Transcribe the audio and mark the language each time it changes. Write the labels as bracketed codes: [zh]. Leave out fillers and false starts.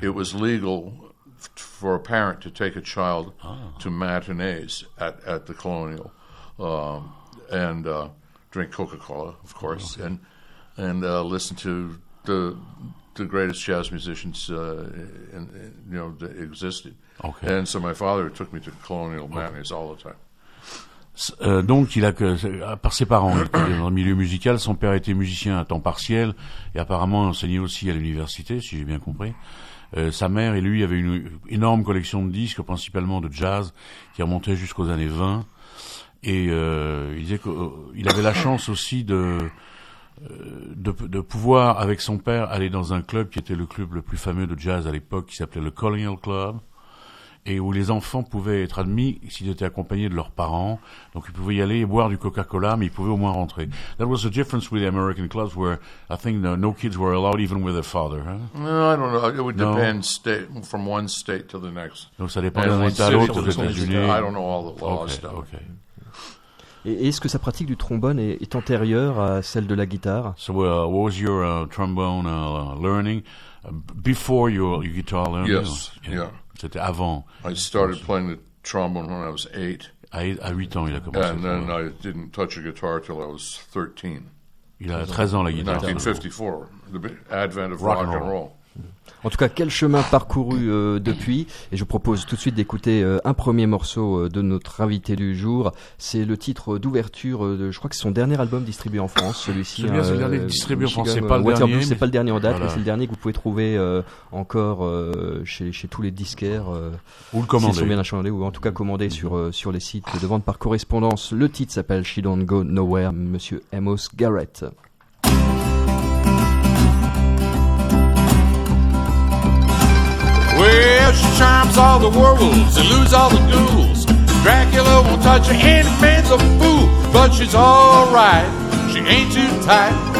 [en] It was legal for a parent to take a child to matinees at the Colonial and drink Coca-Cola, of course, and listen to the greatest jazz musicians that existed. Okay. And so my father took me to Colonial matinees all the time. [fr] Donc, il a que par ses parents, il était dans le milieu musical. Son père était musicien à temps partiel et apparemment enseignait aussi à l'université, si j'ai bien compris. Sa mère et lui avaient une énorme collection de disques, principalement de jazz, qui remontait jusqu'aux années 20. Et il disait qu'il avait la chance aussi de pouvoir, avec son père, aller dans un club qui était le club le plus fameux de jazz à l'époque, qui s'appelait le Colonial Club. Et où les enfants pouvaient être admis s'ils étaient accompagnés de leurs parents. Donc ils pouvaient y aller et boire du Coca-Cola, mais ils pouvaient au moins rentrer. [en] That was the difference with the American clubs, where I think no kids were allowed even with their father. Huh? No, I don't know. It would depend state from one state to the next. [fr] Donc ça dépend d'un état à l'autre aux États-Unis. [en] I don't know all the laws. Okay, stuff. Okay. [fr] Et est-ce que sa pratique du trombone est antérieure à celle de la guitare? [en] So what was your trombone learning before your guitar learning? Yes, yeah. [fr] C'était avant. [en] I started playing the trombone when I was 8. [fr] À 8 ans, il a commencé. [en] And then I didn't touch a guitar till I was 13. [fr] Il a 13 ans, la guitare. [en] 1954, the advent of rock and roll. [fr] En tout cas, quel chemin parcouru depuis. Et je propose tout de suite d'écouter un premier morceau de notre invité du jour. C'est le titre d'ouverture de, je crois que c'est son dernier album distribué en France, celui-ci. C'est bien, c'est le dernier distribué en France, c'est pas le dernier. Waterloo, c'est pas le dernier en date, voilà. Mais c'est le dernier que vous pouvez trouver encore chez tous les disquaires. Ou le commander. S'ils sont bien achetés, ou en tout cas commander sur les sites de vente par correspondance. Le titre s'appelle She Don't Go Nowhere, Monsieur Amos Garrett. [en] Well, she charms all the werewolves and lose all the ghouls. Dracula won't touch her, any man's a fool. But she's alright, she ain't too tight.